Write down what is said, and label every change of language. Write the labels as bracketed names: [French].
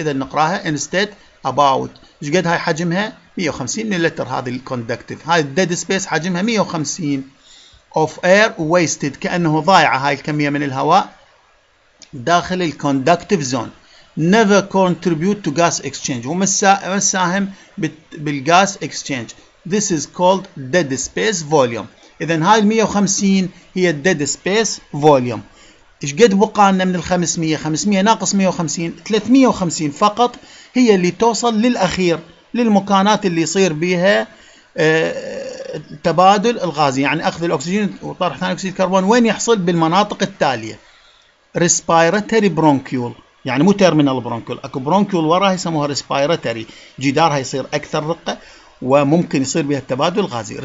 [Arabic] إذا نقراها [English] instead about، [Arabic] إيش قد هاي حجمها 150 مللتر، هذه الconductive، هاي dead space حجمها [English] 150 of air wasted، [Arabic] كأنه ضايعة هاي الكمية من الهواء داخل الـ conductive zone، [English] never contribute to gas exchange، [Arabic] ومساهم بالgas exchange. [English] This is called dead space volume. [Arabic] إذن هاي الـ 150 هي dead space volume. إش قد بقانا من الـ 500؟ 500 ناقص 150 350 فقط هي اللي توصل للأخير للمكانات اللي يصير بيها التبادل الغازي، يعني اخذ الاكسجين وطرح ثاني اكسيد الكربون، وين يحصل؟ بالمناطق التاليه: ريسبيرتوري برونكيول، يعني مو تيرمينال برونكيول، اكو برونكيول وراها يسموها ريسبيرتوري، جدارها يصير اكثر رقه وممكن يصير بها التبادل الغازي.